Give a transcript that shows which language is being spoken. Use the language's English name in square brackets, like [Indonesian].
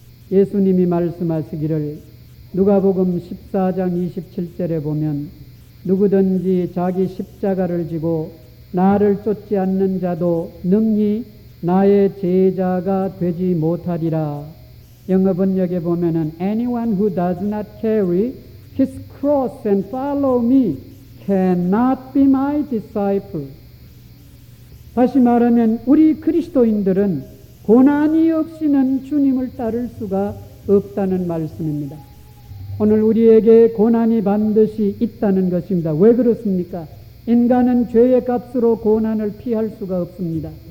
[Korean] 예수님이 말씀하시기를 누가복음 14장 27절에 보면 누구든지 자기 십자가를 지고 나를 쫓지 않는 자도 능히 나의 제자가 되지 못하리라. 영어 번역에 보면은 [English] Anyone who does not carry his cross and follow me cannot be my disciple. [Korean] 다시 말하면 우리 그리스도인들은 고난이 없이는 주님을 따를 수가 없다는 말씀입니다. 오늘 우리에게 고난이 반드시 있다는 것입니다. 왜 그렇습니까? 인간은 죄의 값으로 고난을 피할 수가 없습니다.